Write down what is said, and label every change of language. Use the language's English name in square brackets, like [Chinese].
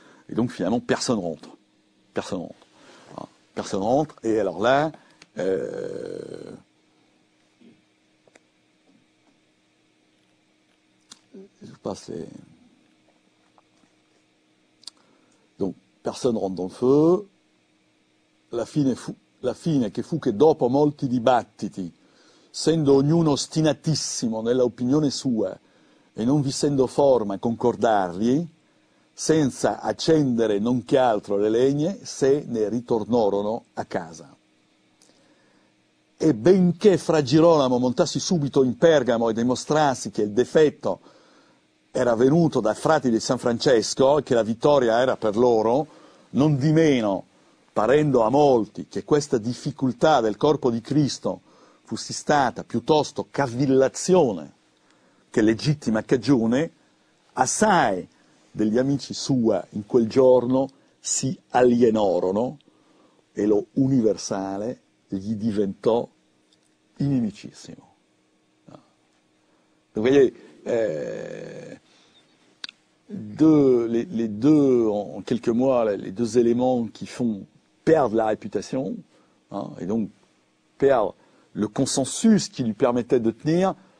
[French] Et donc finalement, personne rentre. Hein, personne rentre, et alors là, je passe les... Personne rentre dans le feu. [Italian] La fine che fu che dopo molti dibattiti, sendo ognuno ostinatissimo nella opinione sua e non vissendo forma concordargli, senza accendere non che altro le legne, se ne ritornorono a casa. E benché fra Girolamo montassi subito in Pergamo e dimostrassi che il defetto era venuto dai frati di San Francesco e che la vittoria era per loro, non di meno, parendo a molti che questa difficoltà del corpo di Cristo fosse stata piuttosto cavillazione che legittima cagione, assai degli amici sua in quel giorno si alienorono e lo universale gli diventò inimicissimo. [French] Vous voyez, les deux éléments qui font perdre la réputation, hein, et donc perdre le consensus qui lui permettait de tenir,